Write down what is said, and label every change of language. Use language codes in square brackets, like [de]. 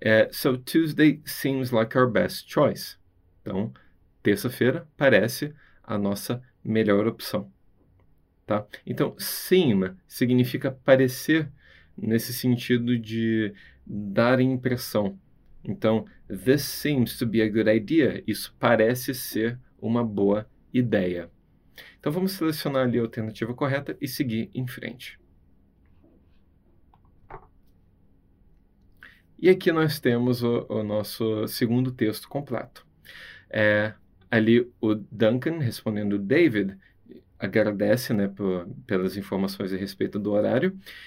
[en] So Tuesday seems like our best choice. [pt] Então, terça-feira parece a nossa melhor opção. Tá? Então, seem significa parecer nesse sentido de dar impressão. [en] Então, this seems to be a good idea. [pt] Isso parece ser uma boa ideia. Então, vamos selecionar ali a alternativa correta e seguir em frente. E aqui nós temos o nosso segundo texto completo. Ali o Duncan respondendo David, agradece, né, pelas informações a respeito do horário.